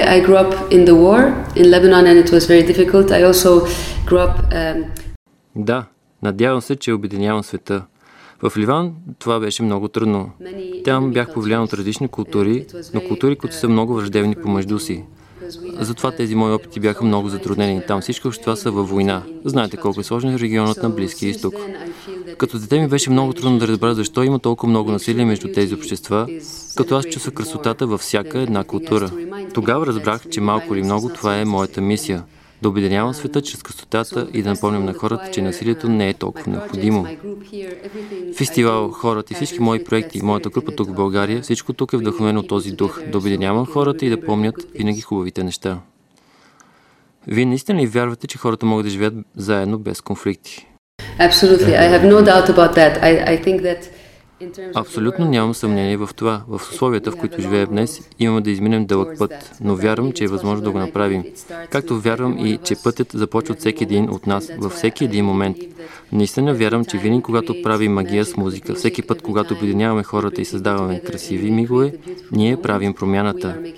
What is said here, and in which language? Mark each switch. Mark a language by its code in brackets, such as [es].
[en] I grew up in the war in Lebanon and it was very difficult. I also grew up [bg] Да, надявам се, че обединявам света. В Ливан това беше много трудно. Там бях повлиян от различни култури, но култури, които са много враждебни помежду си. Затова тези мои опити бяха много затруднени. Там всички общества са във война. Знаете колко е сложен регионът на Близкия изток. Като дете ми беше много трудно да разбера защо има толкова много насилие между тези общества, като аз чувствах красотата във всяка една култура. Тогава разбрах, че малко или много това е моята мисия. Да обединявам света чрез красотата и да напомням на хората, че насилието не е толкова необходимо. Фестивал, хората и всички мои проекти, моята група тук в България, всичко тук е вдъхновено от този дух, да обединявам хората и да помнят винаги хубавите неща. Вие наистина ли вярвате, че хората могат да живеят заедно без конфликти? [en] Absolutely. I have no doubt about that. I think that [bg] Абсолютно нямам съмнение в това. В условията, в които живеем днес, имаме да изминем дълъг път, но вярвам, че е възможно да го направим. Както вярвам и, че пътят започва от всеки един от нас, във всеки един момент. Наистина вярвам, че винаги, когато правим магия с музика, всеки път, когато объединяваме хората и създаваме красиви мигове, ние правим промяната.